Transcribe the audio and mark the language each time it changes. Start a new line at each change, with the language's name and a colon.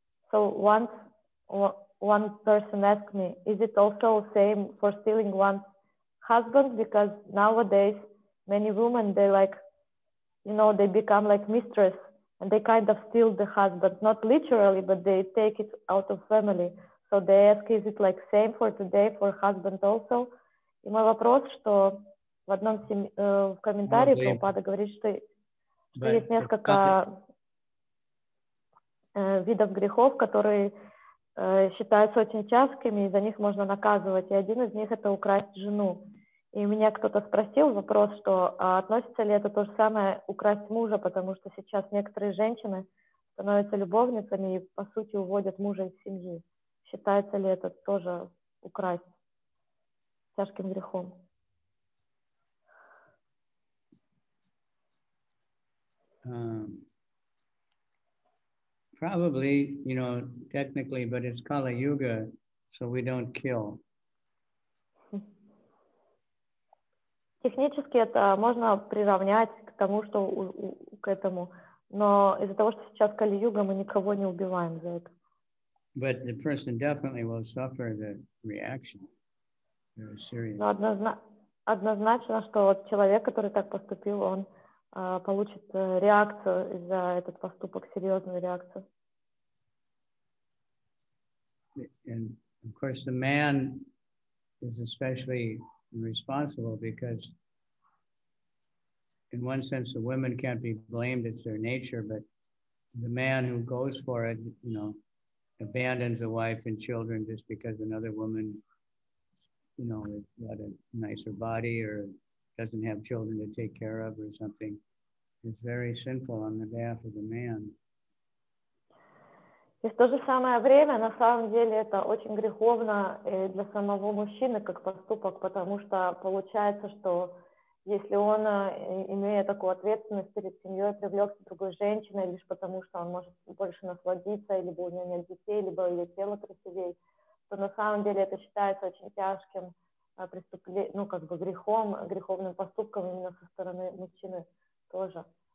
English: So once one person asked me, is it also the same for stealing one's husband? Because nowadays, many women, they like, you know, they become like mistress and they kind of steal the husband, not literally, but they take it out of family. So they ask, is it like same for today for husband also?
Russian: И мой вопрос, что в одном в комментарии Прабхупада говорит, что есть несколько видов грехов, которые считаются очень частыми, и за них можно наказывать. И один из них — это украсть жену. И меня кто-то спросил вопрос, что относится ли это то же самое украсть мужа, потому что сейчас некоторые женщины становятся любовницами и, по сути, уводят мужа из семьи. Считается ли это тоже украсть? тяжким грехом.
English: Probably, you know, technically, but it's Kali Yuga, so we don't kill.
Russian: Технически это можно приравнять к тому, что к этому. Но из-за того, что сейчас Кали-Юга, мы никого не убиваем за это.
English: But the person definitely will suffer the reaction. Very serious.
Russian: Но однозначно, что вот человек, который так поступил, он получит реакцию за этот поступок, серьезную реакцию.
English: And of course the man is especially responsible because in one sense, the women can't be blamed, it's their nature, but the man who goes for it, you know, abandons a wife and children just because another woman, you know, has got a nicer body or doesn't have children to take care of or something, is very sinful on the behalf of the man.
Russian: И в то же самое время, на самом деле, это очень греховно для самого мужчины как поступок, потому что получается, что если он, имея такую ответственность перед семьей, привлекся другой женщиной лишь потому, что он может больше насладиться, либо у него нет детей, либо ее тело красивее, то на самом деле это считается очень тяжким преступлением, ну, как бы грехом, греховным поступком именно со стороны мужчины тоже.